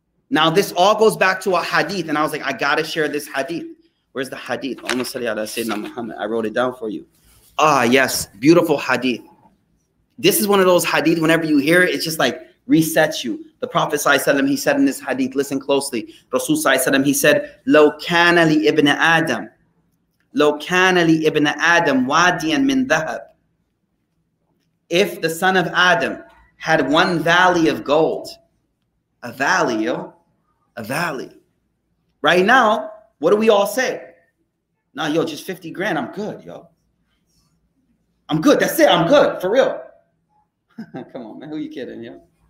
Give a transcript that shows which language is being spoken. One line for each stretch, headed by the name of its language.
English: Now this all goes back to a hadith, and I was like, I gotta share this hadith. Where's the hadith? Allahumma salli ala Sayyidina Muhammad. I wrote it down for you. Ah, yes, beautiful hadith. This is one of those hadith, whenever you hear it, it's just like resets you. The Prophet sallallahu alaihi wasallam, he said in this hadith, listen closely. Rasul sallallahu alaihi wasallam, he said,
Arabic: لَوْ كَانَ لِإِبْنِ آدَمْ لَوْ كَانَ لِإِبْنِ آدَمْ وَادِيًا مِنْ ذَهَبْ.
English: If the son of Adam had one valley of gold, a valley, yo, a valley. Right now, what do we all say? Nah, yo, just 50 grand, I'm good, yo. I'm good, that's it, I'm good, for real. Come on, man, who are you kidding, yo?